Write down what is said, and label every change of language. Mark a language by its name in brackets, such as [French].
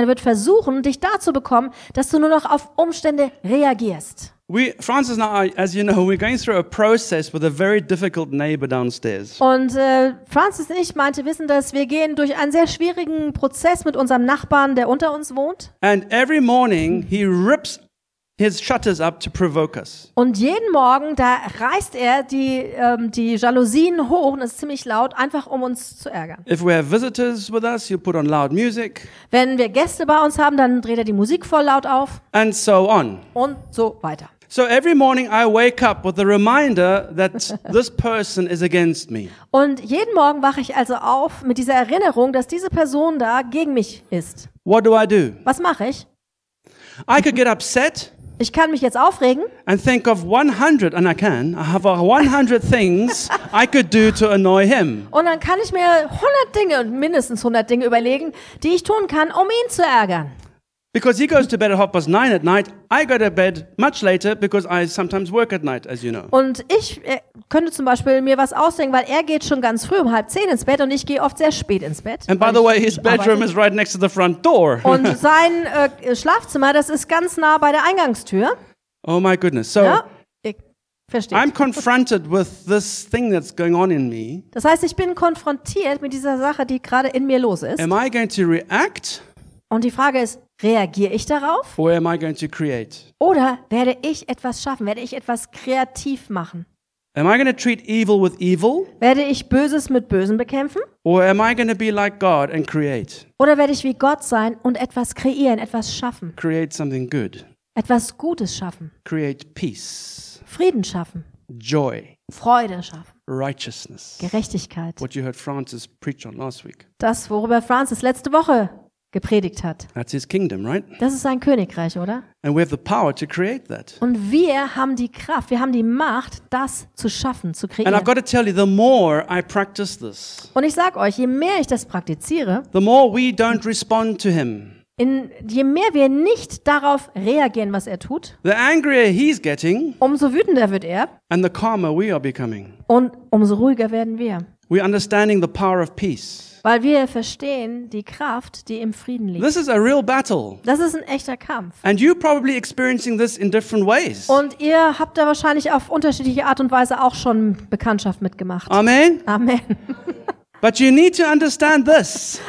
[German] Er wird versuchen, dich dazu bekommen, dass du nur noch auf Umstände reagierst. [English] Francis and I, as you know, we're going through a process with a very difficult neighbor downstairs. [German] Und Francis und ich meinte, wissen das, wir gehen durch einen sehr schwierigen Prozess mit unserem Nachbarn, der unter uns wohnt. [English] And every morning he rips his shutters up to provoke us. [German] Und jeden Morgen, da reißt er die die Jalousien hoch und es ist ziemlich laut, einfach um uns zu ärgern. [English] If we have visitors with us, he'll put on loud music. [German] Wenn wir Gäste bei uns haben, dann dreht er die Musik voll laut auf. [English] And so on. [German] Und so weiter. [English] So every morning I wake up with the reminder that this person is against me. [German] Und jeden Morgen wache ich also auf mit dieser Erinnerung, dass diese Person da gegen mich ist. [English] What do I do? [German] Was mache ich? [English] I could get upset. [German] Ich kann mich jetzt aufregen. [English] And think of 100, and I can. I have 100 things I could do to annoy him. [German] Und dann kann ich mir 100 Dinge, mindestens 100 Dinge überlegen, die ich tun kann, um ihn zu ärgern. [English] Because he goes to bed at 9:30 at night, I go to bed much later because I sometimes work at night, as you know. [German] Und ich könnte zum Beispiel mir was ausdenken, weil er geht schon ganz früh um 9:30 ins Bett und ich gehe oft sehr spät ins Bett. [English] And by the way, his bedroom is right next to the front door. [German] Und sein Schlafzimmer, das ist ganz nah bei der Eingangstür. [English] Oh my goodness! So, [German] ja, ich verstehe. [English] I'm confronted with this thing that's going on in me. [German] Das heißt, ich bin konfrontiert mit dieser Sache, die gerade in mir los ist. [English] Am I going to react? [German] Und die Frage ist, reagiere ich darauf? [English] Or am I going to create? [German] Oder werde ich etwas schaffen? Werde ich etwas kreativ machen? [English] Am I going to treat evil with evil? [German] Werde ich Böses mit Bösem bekämpfen? [English] Or am I going to be like God and create? [German] Oder werde ich wie Gott sein und etwas kreieren, etwas schaffen? [English] Create something good. [German] Etwas Gutes schaffen. [English] Create peace. [German] Frieden schaffen. [English] Joy. [German] Freude schaffen. [English] Righteousness. [German] Gerechtigkeit. [English] What you heard Francis preach on last week. [German] Das, worüber Francis letzte Woche gepredigt hat. [English] That's his kingdom, right? [German] Das ist sein Königreich, oder? [English] And we have the power to create that. [German] Und wir haben die Kraft, wir haben die Macht, das zu schaffen, zu kreieren. [English] And I've got to tell you, the more I practice this, [German] und ich sage euch, je mehr ich das praktiziere, [English] the more we don't respond to him. [German] Je mehr wir nicht darauf reagieren, was er tut, [English] the angrier he's getting, [German] umso wütender wird er, [English] and the calmer we are becoming. [German] Und umso ruhiger werden wir. [English] We understanding the power of peace. [German] Weil wir verstehen die Kraft, die im Frieden liegt. [English] This is a real battle. [German] Das ist ein echter Kampf. [English] And you probably experiencing this in different ways. [German] Und ihr habt da wahrscheinlich auf unterschiedliche Art und Weise auch schon Bekanntschaft mitgemacht. [English] Amen. [German] Amen. [English] But you need to understand this.